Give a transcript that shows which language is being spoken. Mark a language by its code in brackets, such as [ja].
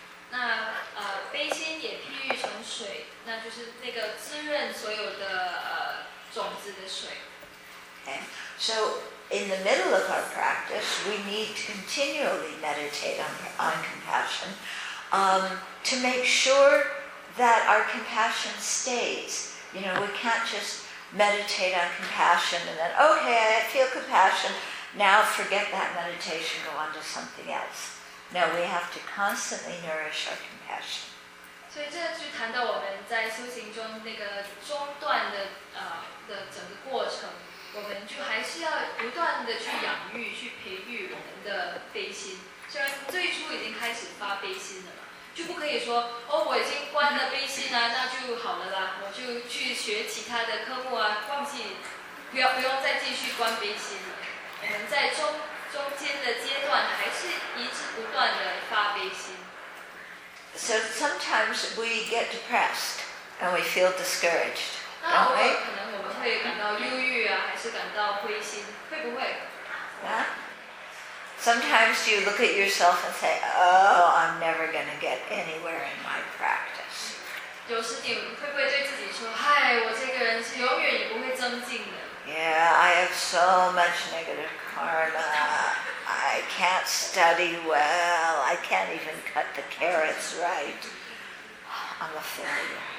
[zh] 那悲心也譬喻成水，那就是那个滋润所有的种子的水。 [en] Okay. So in the middle of our practice, we need to continually meditate on compassion to make sure that our compassion stays. You know, we can't just meditate on compassion and then, okay, I feel compassion, now forget that meditation, go on to something else. No, we have to constantly nourish our compassion. [zh] 所以这就谈到我们在修行中那个中断的的整个过程，我们就还是要不断的去养育、去培育我们的悲心。虽然最初已经开始发悲心了，就不可以说哦，我已经关了悲心啊，那就好了啦，我就去学其他的科目啊，忘记不用再继续关悲心了。我们在中间的阶段还是一直不断的发悲心。 [en] So sometimes we get depressed and we feel discouraged, don't we? [zh] 那可能我们会感到忧郁啊，还是感到灰心，会不会？ [en] Yeah. Sometimes you look at yourself and say, "Oh, I'm never going to get anywhere in my practice." [zh] 有时你会不会对自己说，嗨，我这个人是永远也不会增进的。 [en] Yeah, I have so much negative karma. I can't study well. I can't even cut the carrots right. I'm a failure.